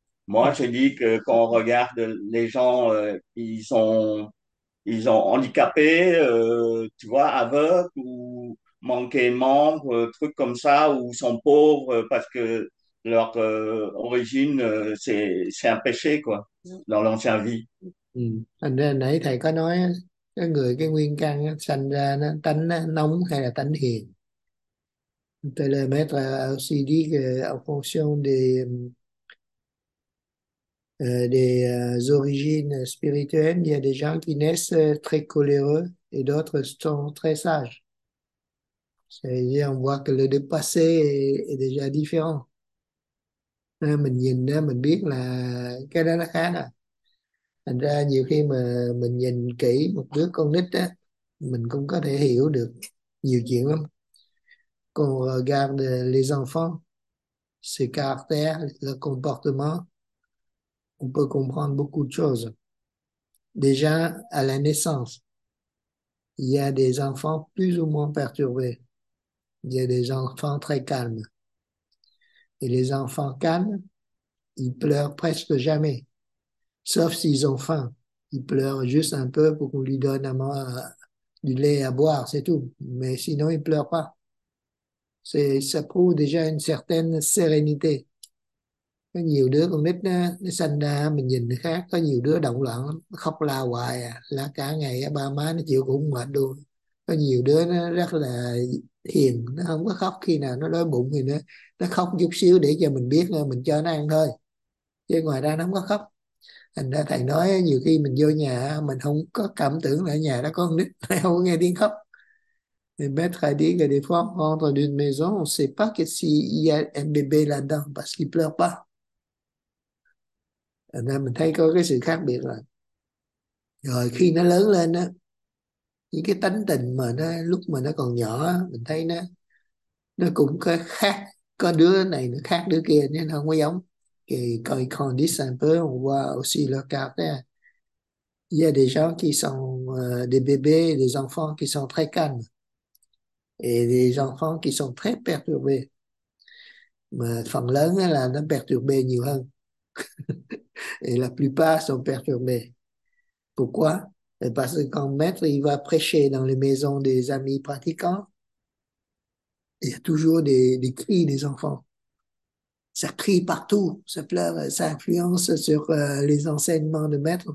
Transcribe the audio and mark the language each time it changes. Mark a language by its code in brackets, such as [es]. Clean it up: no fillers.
[fr] Moi je dis que quand on regarde les gens ils sont handicapés tu vois aveugles ou manquer de membres trucs comme ça ou sont pauvres parce que leur origine, c'est un péché, quoi, dans l'ancienne vie. [vi] Thành ra nãy thầy có nói cái người cái nguyên căn sanh ra nó tánh nó nóng hay là tánh hiền. [fr] Télémètre a aussi dit que en fonction des origines spirituelles, il y a des gens qui naissent très coléreux et d'autres sont très sages. C'est-à-dire on voit que le passé est déjà différent. [vi] Mình nhìn đó, mình biết là cái đó nó khác à. Thành ra nhiều khi mà mình nhìn kỹ một đứa con nít á, mình cũng có thể hiểu được nhiều chuyện lắm. [fr] Còn regarde les enfants, ses caractères, le comportement, on peut comprendre beaucoup de choses. Déjà, à la naissance, il y a des enfants plus ou moins perturbés. Il y a des enfants très calmes. Et les enfants calmes, ils pleurent presque jamais. Sauf s'ils ont faim. Il pleure juste un peu pour qu'on lui donne du lait à boire, c'est tout. Mais sinon, il pleure pas. Ça prouve déjà une certaine sérénité. [vi] Có nhiều đứa con nít nó sanh ra mình nhìn nó khác, có nhiều đứa động loạn khóc la hoài à, là cả ngày ba má nó chịu cũng mệt luôn. Có nhiều đứa nó rất là hiền, nó không có khóc, khi nào nó đói bụng thì nó khóc chút xíu để cho mình biết mình cho nó ăn thôi, chứ ngoài ra nó không có khóc. Thành ra thầy nói nhiều khi mình vô nhà mình không có cảm tưởng là nhà đó có con nít, không có nghe tiếng khóc. [fr] Et mettre à dire que des fois, on rentre d'une maison, on ne sait pas que s'il y a un bébé là-dedans parce qu'il pleure pas. Et là, [vi] mình thấy có cái sự khác biệt là rồi khi nó lớn lên á, những cái tánh tình mà nó lúc mà nó còn nhỏ á, mình thấy nó cũng có khác, có đứa này nó khác đứa kia nên nó không có giống. Thì coi [fr] condition un peu, on voit aussi leur caractère. Il y a des gens qui sont des bébés, des enfants qui sont très calmes. Et des enfants qui sont très perturbés. [vi] Mais phần lớn là nó perturbé nhiều hơn. [fr] Et la plupart sont perturbés. Pourquoi? Parce que quand maître, il va prêcher dans les maisons des amis pratiquants, il y a toujours des cris des enfants. Ça crie partout, ça pleure, ça influence sur les enseignements de maître.